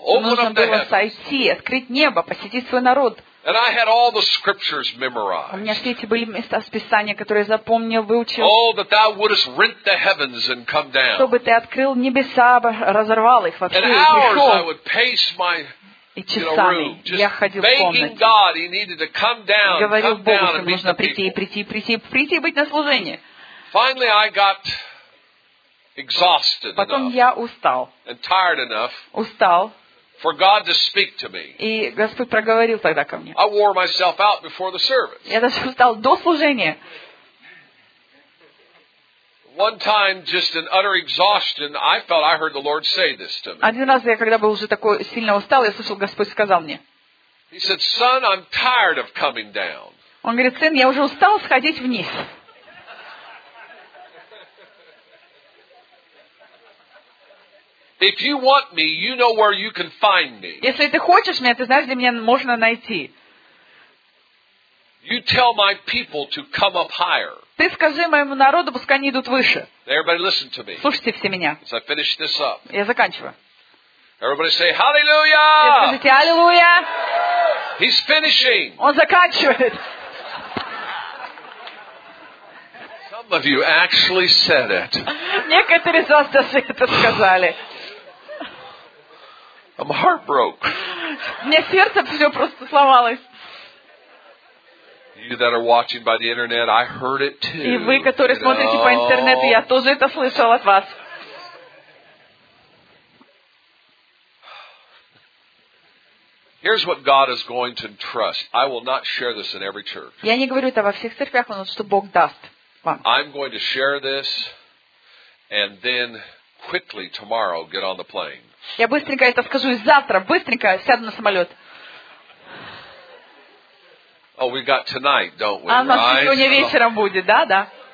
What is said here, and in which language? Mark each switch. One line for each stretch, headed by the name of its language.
English: Open up the heavens.
Russian: Нужно было сойти, открыть небо, посетить свой народ.
English: And I had all the scriptures memorized.
Russian: У меня все эти были места из Писания, которые я запомнил, выучил.
English: Oh, that thou wouldest rent the heavens and come down.
Russian: Чтобы ты открыл небеса, разорвал их вообще.
English: And hours I would pace my
Russian: я ходил в комнате. Говорил Богу, что нужно прийти, прийти, прийти, прийти и быть на служении.
English: Finally, I got exhausted.
Russian: Потом я устал.
English: And tired enough.
Russian: Устал.
English: For God to speak to me.
Russian: И Господь проговорил тогда ко мне.
English: I wore myself out before the service.
Russian: Я даже устал до служения.
English: One time, just in utter exhaustion, I felt I heard the Lord say this to me.
Russian: Один раз я когда был уже такой сильно устал, я слышал, Господь сказал мне.
English: He said, "Son, I'm tired of coming down."
Russian: Он говорит, сын, я уже устал сходить вниз.
English: If you want me, you know where you can find me.
Russian: Если ты хочешь меня, ты знаешь, где меня можно найти.
English: You tell my people to come up higher.
Russian: Ты скажи моему народу, пускай они идут выше.
English: Everybody listen to me.
Russian: Слушайте все меня.
English: As I finish this up.
Russian: Я заканчиваю.
English: Everybody say hallelujah.
Russian: Скажите аллилуйя.
English: He's finishing.
Russian: Он заканчивает.
English: Some of you actually said it.
Russian: Некоторые из вас даже это сказали.
English: I'm heartbroken.
Russian: Мне сердце все просто сломалось.
English: You that are watching by the internet, I heard it too.
Russian: И вы, которые смотрите по интернету, я тоже это слышал от вас.
English: Here's what God is going to entrust. I will not share this in every church.
Russian: Я не говорю это во всех церквях, но что Бог даст вам.
English: I'm going to share this and then quickly tomorrow get on the plane.
Russian: Я быстренько это скажу и завтра быстренько сяду на самолет.
English: Oh, we got tonight, don't we?
Russian: А у нас сегодня вечером будет, да, да.